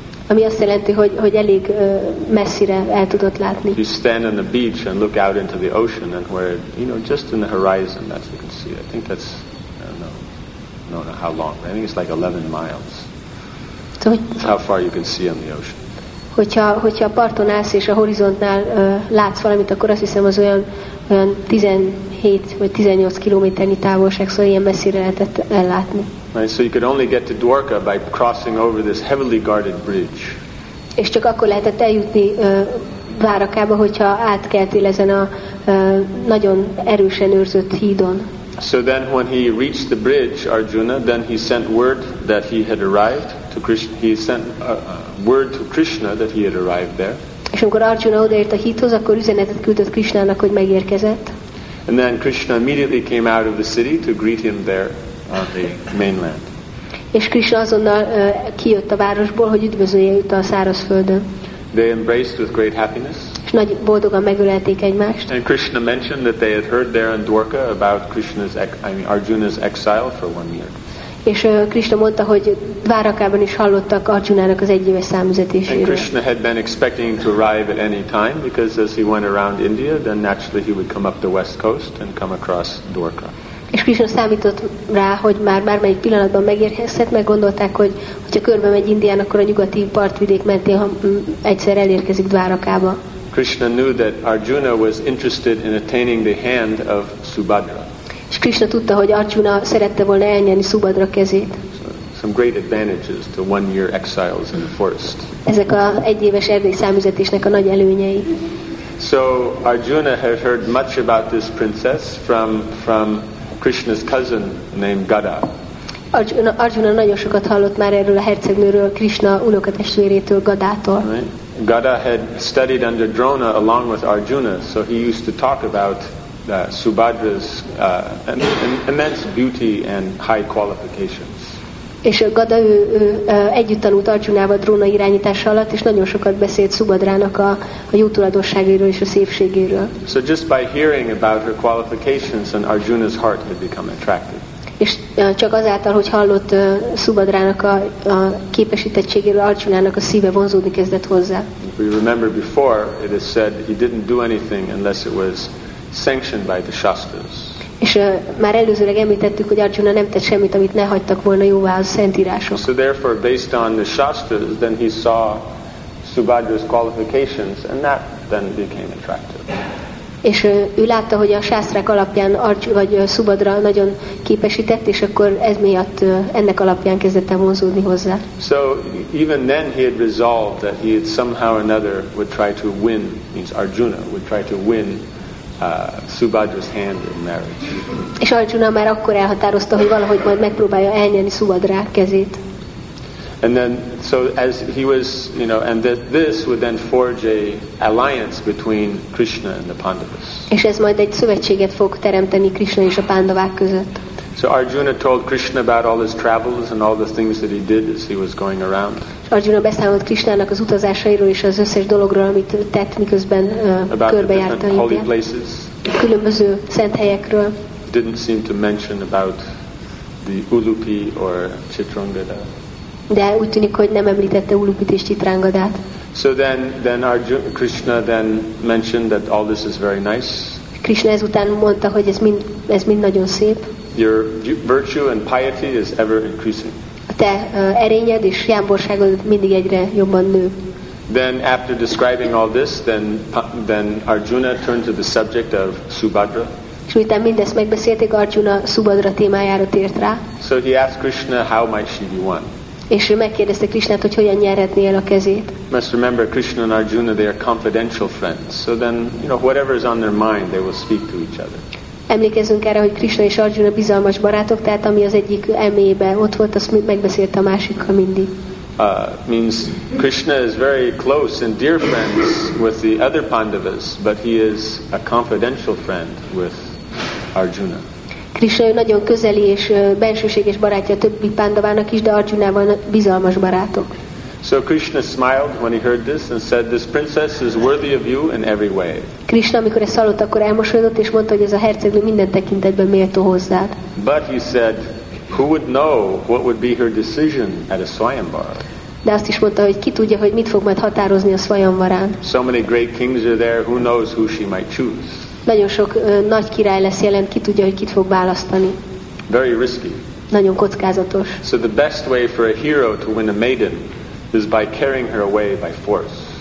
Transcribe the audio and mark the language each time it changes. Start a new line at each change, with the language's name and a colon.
Hungarian: Ami azt jelenti, hogy elég messzire el tudott látni.
English: You stand on the beach and look out into the ocean, and where, you know, just in the horizon, that's you can see. I think that's, I don't know how long. I think it's like 11 miles. So, that's how far you can see on the ocean.
Hungarian: Hogyha a parton állsz és a horizontnál látsz valamit, akkor azt hiszem az olyan 17 vagy 18 kilométernyi távolság, szóval ilyen messzire lehetett ellátni.
English: Right, so you could only get to Dwarka by crossing over this heavily guarded bridge.
Hungarian: És csak akkor lehetett eljutni Dwarakába, hogyha átkeltél ezen a nagyon erősen őrzött hídon.
English: So then when he reached the bridge, Arjuna, then he sent word that he had arrived. He sent word to Krishna that he had arrived there.
Hungarian: És amikor Arjuna odaért a híthoz, akkor üzenetet küldött Krishnának, hogy megérkezett.
English: And then Krishna immediately came out of the city to greet him there on the mainland.
Hungarian: És Krishna azonnal kijött a városból, hogy üdvözölje őt a szárazföldön.
English: They embraced with great happiness.
Hungarian: És nagy boldogan megölelték egymást.
English: And Krishna mentioned that they had heard there in Dwarka about Arjuna's exile for 1 year.
Hungarian: És Krishna mondta, hogy Dwarakában is hallottak Arjunának az egyéves számüzetéséről.
English: And Krishna had been expecting to arrive at any time, because as he went around India, then naturally he would come up the west coast and come across Dwarka.
Hungarian: És Krishna számított rá, hogy már bármelyik pillanatban megérkezhet, meg gondolták, hogyha körbe megy Indián, akkor a nyugati partvidék mentén egyszer elérkezik Dwarakába.
English: Krishna knew that Arjuna was interested in attaining the hand of Subhadra.
Hungarian: És Krishna tudta, hogy Arjuna szerette volna elnyerni Subhadra kezét.
English: Some great advantages to 1 year exiles in the forest.
Hungarian: Ezek a egyéves erdei számüzetésnek a nagy előnyei.
English: So Arjuna had heard much about this princess from Krishna's cousin named Gada.
Hungarian: Arjuna nagyon sokat hallott már erről a hercegnőről, Krishna unokatestvérétől, Gadától.
English: Gada had studied under Drona along with Arjuna, so he used to talk about Subhadra's immense beauty and high qualifications.
Hungarian: És Gada ő együtt tanult Arjunával dróna irányítása alatt, és nagyon sokat beszélt Subhadrának a jó tulajdonságairól és a szépségéről.
English: So just by hearing about her qualifications, and Arjuna's heart had become attracted.
Hungarian: És csak azáltal, hogy hallott Subhadrának a képesítettségéről, Arjunának a szíve vonzódni kezdett hozzá.
English: We remember before it is said he didn't do anything unless it was sanctioned by the Shastras.
Hungarian: És már előzőleg említettük, hogy Arjuna nem tett semmit, amit ne hagytak volna jóvá a szentírások.
English: So therefore, based on the Shastras, then he saw Subhadra's qualifications, and that then became attractive.
Hungarian: És ő látta, hogy a sásztrák alapján Subhadra nagyon képesített, és akkor ez miatt ennek alapján kezdett el vonzódni hozzá.
English: So even then he had resolved that he had somehow or another would try to win, means Arjuna would try to win Subhadra's hand in marriage.
Hungarian: És Arjuna már akkor elhatározta, hogy valahogy majd megpróbálja elnyerni Subhadra kezét.
English: And then, so as he was, you know, and that this would then forge a alliance between Krishna and the Pandavas.
Hungarian: És ez majd egy szövetséget fog teremteni Krishna és a Pandavák között.
English: So Arjuna told Krishna about all his travels and all the things that he did as he was going around.
Hungarian: Arjuna beszámolt Krishnának az utazásairól és az összes dologról, amit tett, miközben körbejárta
English: Indiát. Holy places.
Hungarian: Különböző szent helyekről.
English: Didn't seem to mention about the Ulupi or Chitrangada.
Hungarian: De úgy tűnik, hogy nem említette Ulupit és Chitrangadát.
English: So then Arjuna, Krishna then mentioned that all this is very nice.
Hungarian: Krishna ezután mondta, hogy ez mind nagyon szép.
English: Your virtue and piety is ever increasing.
Hungarian: Te erényed és jámborságod mindig egyre jobban nő.
English: Then after describing all this, then Arjuna turned to the subject of Subhadra.
Hungarian: És miután mindezt megbeszélték, Arjuna Subhadra témájára tért rá.
English: So he asked Krishna, how might she be won?
Hungarian: És ő megkérdezte Krishnát, hogy hogyan nyerhetné el a kezét.
English: Must remember Krishna and Arjuna, they are confidential friends. So then, you know, whatever is on their mind, they will speak to each other.
Hungarian: Emlékezzünk erre, hogy Krishna és Arjuna bizalmas barátok, tehát ami az egyik elméjében ott volt, azt megbeszélte a másikkal mindig.
English: Means Krishna is very close and dear friends with the other Pandavas, but he is a confidential friend with Arjuna.
Hungarian: Krishna nagyon közeli és bensőséges barátja a többi Pandavának is, de Arjunával bizalmas barátok.
English: So Krishna smiled when he heard this and said, "This princess is worthy of you in every way."
Hungarian: Krishna, amikor ezt hallott, akkor elmosolyodott és mondta, hogy ez a hercegnő minden tekintetben méltó hozzád.
English: But he said, "Who would know what would be her decision at a Svayamvara?"
Hungarian: De azt is mondta, hogy ki tudja, hogy mit fog majd határozni a Svayamvarán.
English: So many great kings are there. Who knows who she might choose?
Hungarian: Nagyon sok nagy király lesz jelen, ki tudja, hogy kit fog választani.
English: Very risky.
Hungarian: Nagyon kockázatos.
English: So the best way for a hero to win a maiden is by carrying her away by force.